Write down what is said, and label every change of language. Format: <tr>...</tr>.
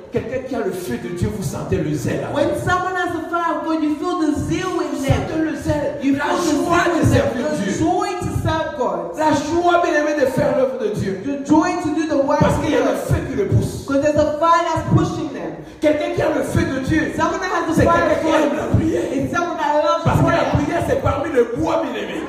<fr>Quelqu'un qui a le feu de Dieu, vous sentez le zèle.</fr> <en>When someone has the fire of God, you feel the zeal in them.</en> <fr>Sentez le zèle.</fr> <en>You feel</en> <fr>the joie de servir Dieu.</fr> <en>The joy to serve God.</en> <fr>La joie, bien aimé, de faire l'œuvre de Dieu.</fr> <en>The joy to do the work.</en> <fr>Parce qu'il y a le feu qui le pousse.</fr> <en>Because there's a fire that's pushing them.</en> <fr>Quelqu'un qui a le feu de Dieu,</fr> <en>someone that has the fire,</en> <fr>c'est quelqu'un qui aime la prière.</fr> <en>It's someone that loves.</en> <fr>Parce que la prière, c'est parmi le bois, bien aimé.</fr>